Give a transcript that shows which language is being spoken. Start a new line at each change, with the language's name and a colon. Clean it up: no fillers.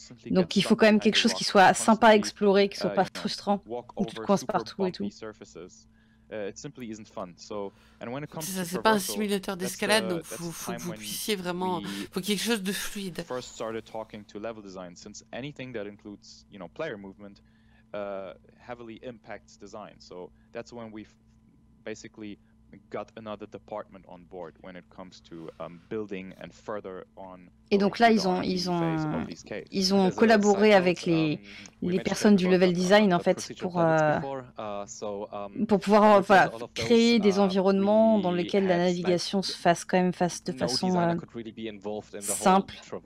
French: Donc il faut quand même quelque chose qui soit sympa à explorer, qui soit pas frustrant, où tu te coinces partout et tout. C'est ça, c'est pas un simulateur d'escalade, donc faut que vous puissiez vraiment, faut quelque chose de fluide.
English: First started talking to level design, since anything that includes, you know, player movement. Heavily impacts design, so that's when we basically got another department on board when it comes to building and further on.
French: Et donc là, ils ont collaboré avec les personnes du level design en fait pour pouvoir créer des environnements dans lesquels la navigation se fasse quand même de façon simple.